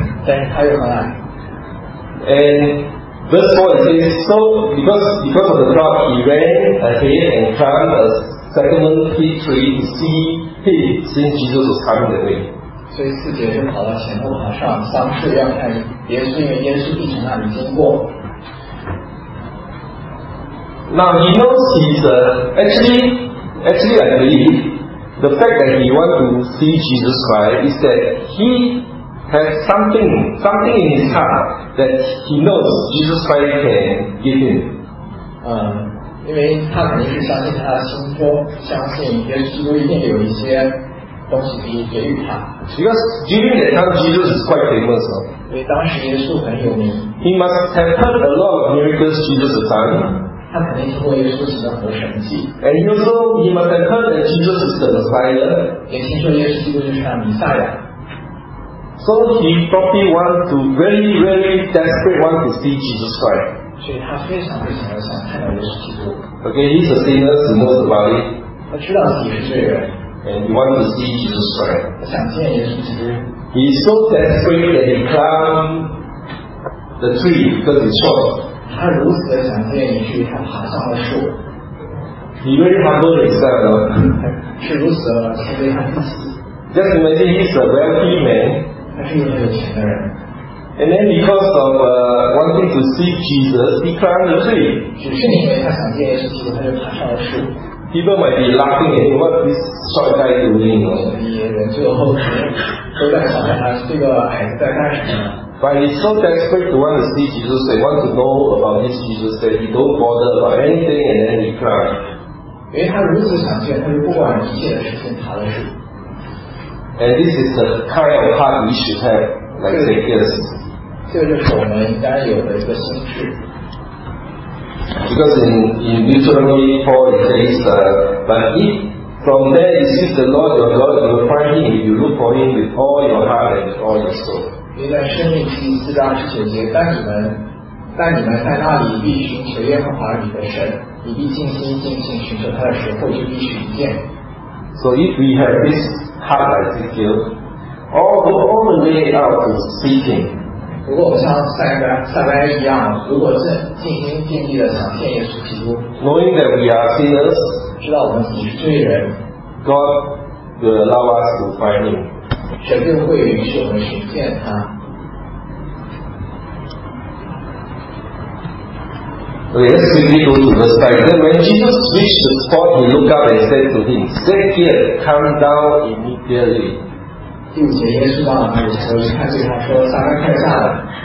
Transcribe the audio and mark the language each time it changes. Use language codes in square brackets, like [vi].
[en] And verse 4 it says, so because of the crowd, he ran ahead and climbed a sycamore fig tree to see him, since Jesus was coming that way. [zh] 所以四姐就跑到前头往上桑树要看耶稣，因为耶稣必从那里经过。 [en] Now he knows he's actually I believe the fact that he wants to see Jesus Christ is that he has something in his heart that he knows Jesus Christ can give him. [zh] 因为他肯定是相信他的心中相信耶稣基督一定有一些东西可以给予他。 [en] Because during that time Jesus is quite famous. [zh] 因为当时耶稣很有名。 [en] He must have heard a lot of miracles Jesus has done. [zh] 他肯定听过耶稣行的很多神迹。 [en] And he also, he must have heard that Jesus is the Messiah. [zh] 也听说耶稣基督就是他弥赛亚。 [en] So he probably want to very, very desperate want to see Jesus Christ. [zh] 所以他非常非常的想看到耶稣基督。 [en] Okay, he's a sinner, he knows about it. [zh] 他知道自己是罪人。 [en] And he wanted to see Jesus Christ. [zh] 想见耶稣基督。 [en] He so desperate that he climbed the tree because he saw it. [zh] 他如此的想见耶稣，他爬上了树。 [en] He really humbled himself. [zh] 是如此的谦卑和自 [en] 己。Just imagine, he's a wealthy man. [zh] 他是一个很有钱的人。 [en] And then because of wanting to see Jesus, he climbed the tree. [zh] 只是因为他想见耶稣基督，他就爬上了树。 [en] People might be laughing at what this short guy doing. [zh] 人就都在想他这个孩子在干什么。 [en] But he's so desperate to want to see Jesus, they want to know about this Jesus that he don't bother about anything, and then he cried. [zh] 因为他如此想见，他就不管一切的事情爬了树。 [en] And this is the kind of heart we should have, like Zacchaeus. [zh] 这个就是我们应该有的一个心智。 [en] Because in Deuteronomy 4 it says, but if from there you seek the Lord your God, you will find him if you look for him with all your heart and all your soul. [zh] 因为在申命记四章十九节，但你们在那里必寻求耶和华你的神，你必尽心尽性寻求他的时候，就必寻见。 [en] So if we have this heart like Ezekiel, all go all the way out to seek him. [zh] 如果我像撒该一样，如果是尽心尽力的想见耶稣基督 [en] ，knowing that we are sinners， [zh] 知道我们自己是罪人 [en] ，God will allow us to find him， [zh] 神就会允许我们寻见他。 [en] Okay, let's quickly go to verse 5. Then when Jesus reached the spot, he looked up and said to him, "Zacchaeus, come down immediately." [zh] 第五节，耶稣到了那里，他就看见他说：“撒该，快下来。”